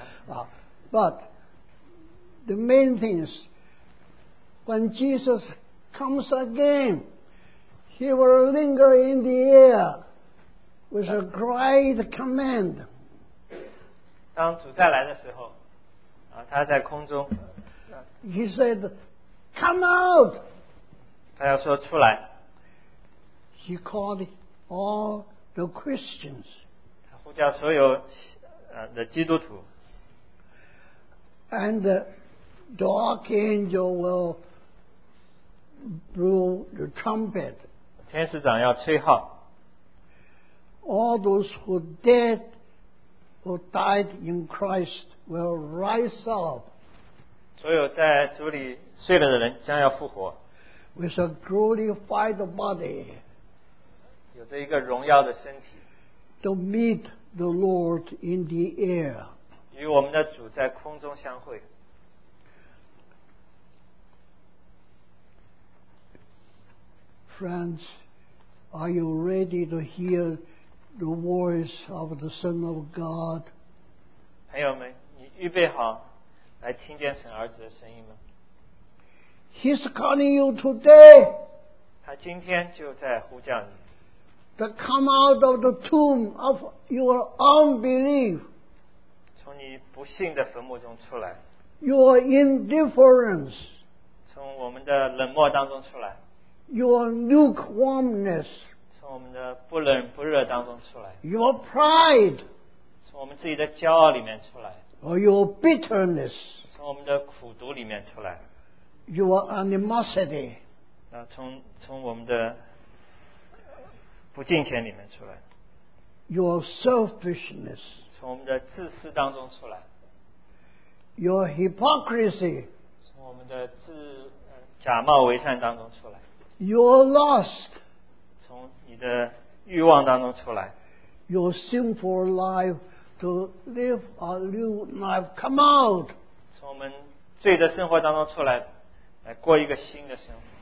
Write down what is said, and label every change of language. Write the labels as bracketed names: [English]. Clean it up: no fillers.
[English] But the main thing is, when Jesus comes again, he will linger in the air with a great command. [Chinese] 当主再来的时候，他在空中。 [English] He said, "Come out!" [Chinese] 他要说出来。 [English] He called all the Christians. [Chinese] 他呼叫所有的基督徒。 [English] And the archangel will blow the trumpet. [Chinese] 天使长要吹号。 [English] All those who dead, who died in Christ will rise up. [Chinese] 所有在主里睡了的人将要复活。 [English] With a glorified body. [Chinese] 有着一个荣耀的身体。 [English] To meet the Lord in the air. [Chinese] 与我们的主在空中相会。 [English] Friends, are you ready to hear the voice of the Son of God? [Chinese] 朋友们，你预备好来听见神儿子的声音吗？ [English] He's calling you today. [Chinese] 他今天就在呼叫你。 [English] To come out of the tomb of your unbelief. [Chinese] 从你不信的坟墓中出来。 [English] Your indifference. [Chinese] 从我们的冷漠当中出来。 [English] Your lukewarmness. [Chinese] 从我们的不冷不热当中出来。 [English] Your pride. [Chinese] 从我们自己的骄傲里面出来。 [English] Or your bitterness. [Chinese] 从我们的苦毒里面出来。 [English] Your animosity. [Chinese] 从我们的不敬虔里面出来, [English] your selfishness, [Chinese] 从我们的自私当中出来, [English] your hypocrisy, [Chinese] 从我们的自, 假冒为善当中出来, [English] your lust, [Chinese] 从你的欲望当中出来, [English] your sinful life to live a new life, come out, [Chinese] 从我们罪的生活当中出来, 来过一个新的生活。